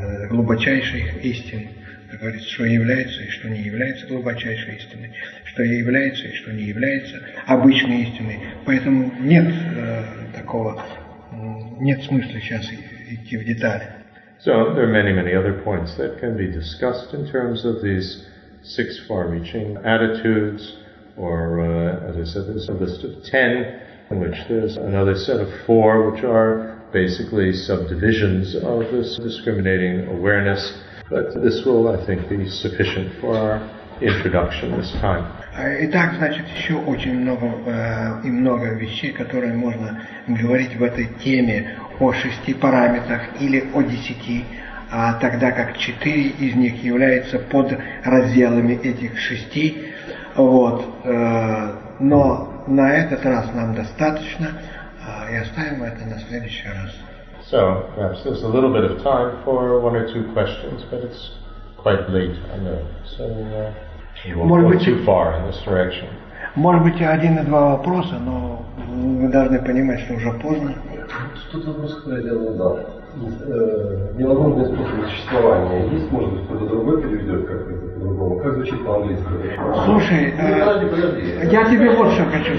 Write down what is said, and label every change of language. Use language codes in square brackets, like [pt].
[ru] глубочайших истин, как говорится, что является и что не является глубочайшей истиной, что является и что не является обычной истиной. Поэтому нет такого, нет смысла сейчас идти в детали. [en] So there are many, many other points that can be discussed in terms of these six far-reaching attitudes, or as I said, there's a list of 10, in which there's another set of 4, which are basically subdivisions of this discriminating awareness. But this will, I think, be sufficient for our introduction this time. [ru] Итак, значит, еще очень много и много вещей, которые можно говорить в этой теме о шести параметрах или о 10, тогда как 4 из них являются под разделами этих 6. Вот. Но на этот раз нам достаточно, и оставим это на следующий раз. [en] So, perhaps there's a little bit of time for one or two questions, but it's quite late, I know. So, you won't go too far in this direction. [ru] Может быть, один и два вопроса, но вы должны понимать, что уже поздно. Тут вопрос, который я делал, да. Невозможный способ существования есть, может быть, кто-то другой переведет как-то по-другому? Как звучит по-английски? Слушай, я тебе вот что хочу сказать.